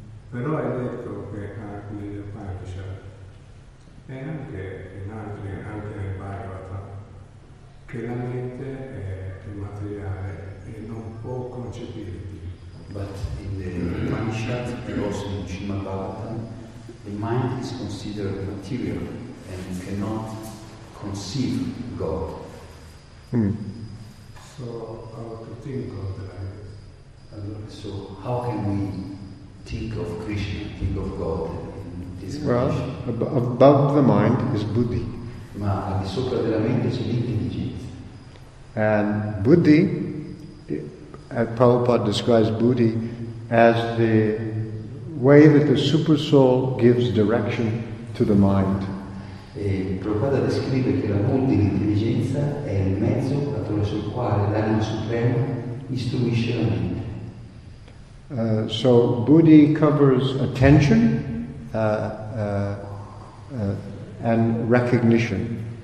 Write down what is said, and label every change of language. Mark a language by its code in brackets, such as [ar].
[it] Però è detto che anche nel Parksha e anche in altri, anche nel Bhagavata, che la mente è immateriale e non può concepirti. [en] But in the Upanishad and also in Srimad Bhagavatam, the mind is considered material and cannot conceive God. So how to think of the mind? So how can we think of Krishna, think of God in this well, condition? Above the mind is buddhi. [it] Ma al di sopra della mente c'è l'intelligenza. [en] And buddhi Prabhupada describes buddhi as the way that the super soul gives direction to the mind. [it] E Prabhupada descrive che la buddhi, l'intelligenza, è il mezzo attraverso il quale l'anima suprema istruisce la mente. [en] So buddhi covers attention and recognition.